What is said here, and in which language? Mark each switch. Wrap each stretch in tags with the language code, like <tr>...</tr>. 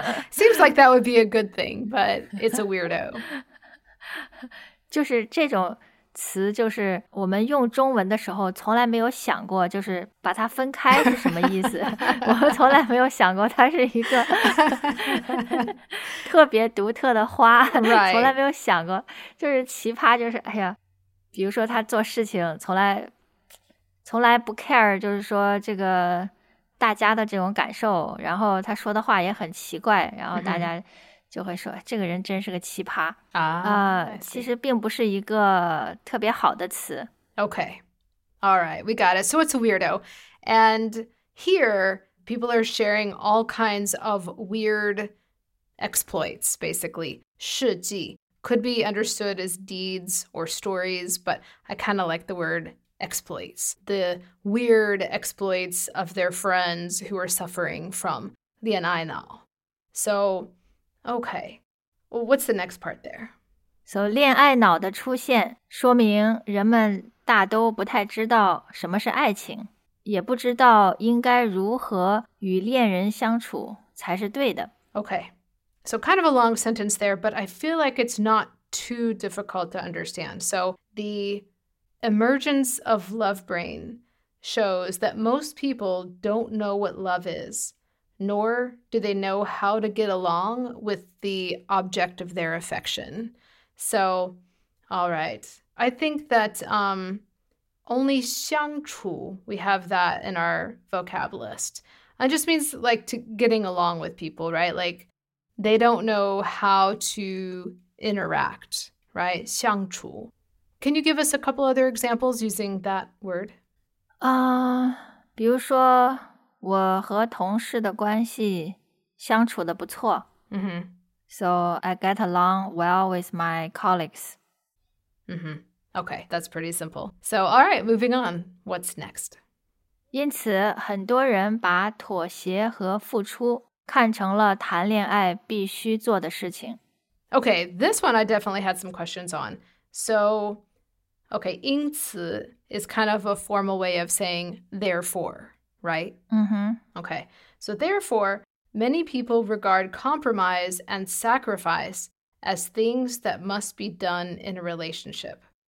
<en>Seems like that would be a good thing, but it's a weirdo.</en> <zh>就是这种词就是我们用中文的时候从来没有想过就是把它分开是什么意思。我们从来没有想过它是一个特别独特的花。</zh> <en>Right.</en> <zh>从来没有想过就是奇葩就是哎呀。比如说他做事情从来不 care, 就是说这个大家的这种感受，然后他说的话也很奇怪，然后大家就会说、mm-hmm. 这个人真是个奇葩啊、其实并不是一个特别好的词。</zh> <en>Okay, all right, we got it. So it's a weirdo. And here, people are sharing all kinds of weird exploits, basically. 事迹could be understood as deeds or stories, but I kind of like the word exploits. The weird exploits of their friends who are suffering from the anainal. So, okay. Well, what's the next part there?</en> <zh>So, 恋爱脑的出现说明人们大都不太知道什么是爱情，也不知道应该如何与恋人相处才是对的。</zh> <en>Okay. So kind of a long sentence there, but I feel like it's not too difficult to understand. So the emergence of love brain shows that most people don't know what love is, nor do they know how to get along with the object of their affection. So, all right. I think that only 相处, we have that in our vocab list. It just means like to getting along with people, right? Like,They don't know how to interact, right? 相处. Can you give us a couple other examples using that word?</en> <zh>比如说我和同事的关系相处得不错。 Mm-hmm.</zh> <en>So I get along well with my colleagues. Mm-hmm. Okay, that's pretty simple. So, all right, moving on. What's next?</en> <zh>因此很多人把妥协和付出看成了谈恋爱必须做的事情。</zh> <en>Okay, this one I definitely had some questions on. So, okay, 因此 is kind of a formal way of saying therefore, right? Mm-hmm. Okay, so therefore, many people regard compromise and sacrifice as things that must be done in a relationship.</en>